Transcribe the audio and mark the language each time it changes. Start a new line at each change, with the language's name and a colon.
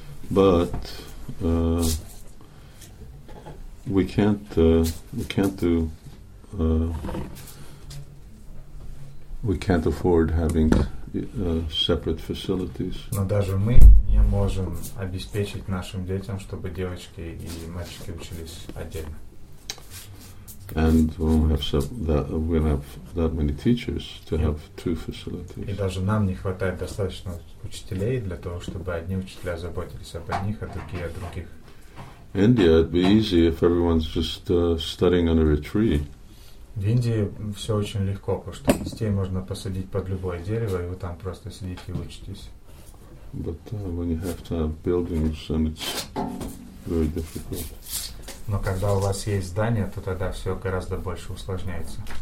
English: But we can't afford having separate facilities.
Russian: Но даже мы не можем обеспечить нашим детям, чтобы девочки и мальчики учились отдельно.
English: And we don't have that many teachers to have two facilities.
Russian: И даже нам не хватает достаточно учителей для того, чтобы одни учителя заботились об одних, а другие о других.
English: India, it'd be easy if everyone's just studying under a tree.
Russian: В Индии все очень легко, потому что детей можно посадить под любое дерево, и вы там просто сидите и учитесь.
English: But when you have to have buildings, then it's very difficult.
Russian: Но когда у вас есть здание, то тогда все гораздо больше усложняется.